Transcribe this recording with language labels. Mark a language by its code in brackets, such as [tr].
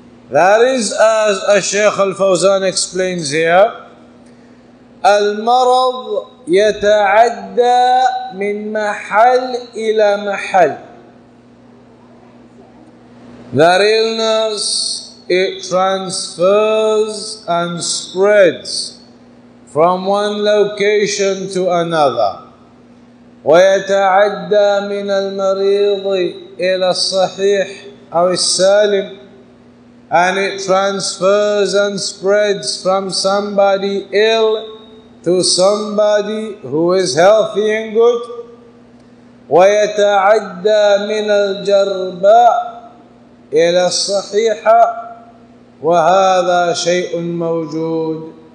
[en] That is, as Shaykh Al-Fawzan explains here, [ar] المرض يتعدى من محل إلى محل. [en] That illness, it transfers and spreads from one location to another. [ar] ويتعدى من المريض إلى الصحيح أو السالم. [en] And it transfers and spreads from somebody ill to somebody who is healthy and good. [ar] وَيَتَعَدَّى مِنَ الْجَرْبَاءِ إِلَى الصَّحِيحَةِ وَهَذَا شَيْءٌ مَوْجُودٌ.